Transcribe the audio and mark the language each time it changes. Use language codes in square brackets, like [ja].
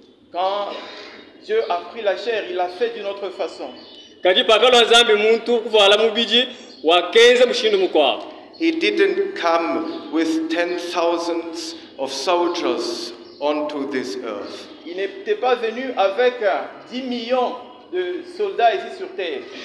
[fr] Quand Dieu a pris la chair, il l'a fait d'une autre façon. [en] He didn't come with 10,000s of soldiers onto this earth. [fr] Il n'était pas venu avec 10 millions de soldats ici sur terre.